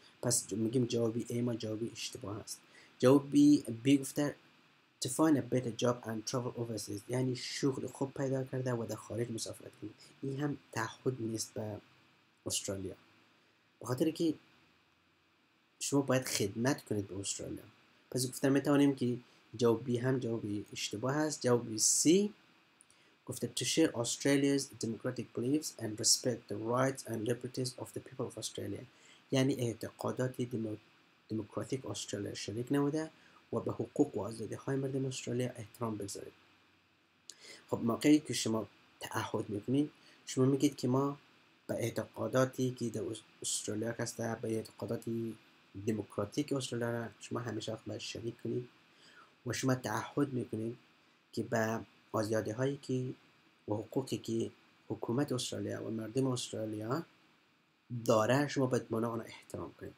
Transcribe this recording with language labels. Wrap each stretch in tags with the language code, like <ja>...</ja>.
<fa>پس میگیم جواب A ما جواب اشتباه است. جواب B گفته</fa> <en>To find a better job and travel overseas،</en> <fa>یعنی شغل خوب پیدا کرده و در خارج مسافرت کنید. این هم تعهد نیست به استرالیا، بخاطر که شما باید خدمت کنید به استرالیا. پس گفتن می توانیم که جواب B هم جواب اشتباه است. جواب C گفته</fa> <en>to share Australia's democratic beliefs and respect the rights and liberties of the people of Australia.</en> <fa>یعنی اعتقادات دموکراتیک استرالیا شریک نموده و به حقوق و آزادی های مردم استرالیا احترام بگذارید. خب موقعی که شما تعهد میکنید شما میگید که ما به اعتقاداتی که در استرالیا هست به اعتقاداتی دموکراتیک استرالیا را شما همیشه خواهید شریک کنید و شما تعهد میکنید که به آزادی هایی که و حقوقی که حکومت استرالیا و مردم استرالیا داره شما باید مانا آن احترام کنید.</fa>